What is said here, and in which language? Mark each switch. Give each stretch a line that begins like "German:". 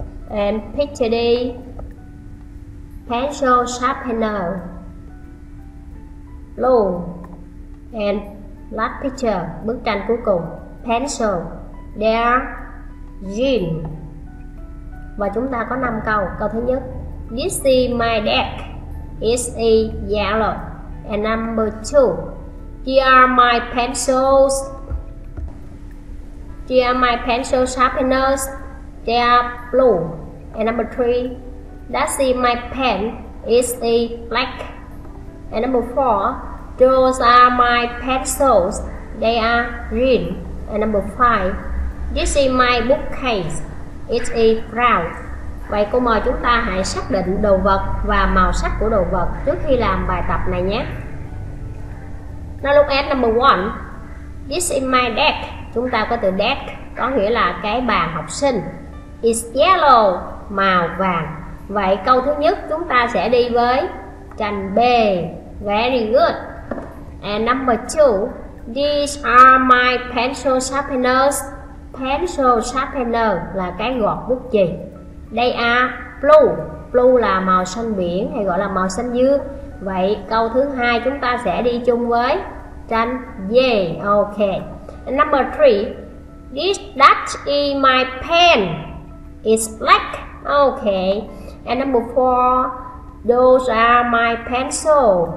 English: And picture D. Pencil sharpener blue. And last picture,
Vietnamese: bức tranh cuối cùng,
English: pencil.
Vietnamese: There Jean. Và chúng ta có 5 câu. Câu thứ nhất,
English: this is my deck. It's a yellow. And number 2, here are my pencils. Here are my pencil sharpeners. They are blue. And number 3, that's my pen. It's a black. And number 4, those are my pencils. They are green. And number 5, this is my bookcase. It's a brown.
Vietnamese: Vậy cô mời chúng ta hãy xác định đồ vật và màu sắc của đồ vật trước khi làm bài tập này nhé.
English: Now look at number 1. This is my deck.
Vietnamese: Chúng ta có từ deck có nghĩa là cái bàn học sinh.
English: It's yellow,
Vietnamese: màu vàng. Vậy câu thứ nhất chúng ta sẽ đi với tranh B.
English: Very good. And number 2, these are my pencil sharpeners.
Vietnamese: Pencil sharpener là cái gọt bút chì.
English: They are blue. Blue
Vietnamese: là màu xanh biển hay gọi là màu xanh dương. Vậy câu thứ hai chúng ta sẽ đi chung với tranh D.
English: Okay. And number 3, this that is my pen. It's black. Okay. And number 4, those are my pencil.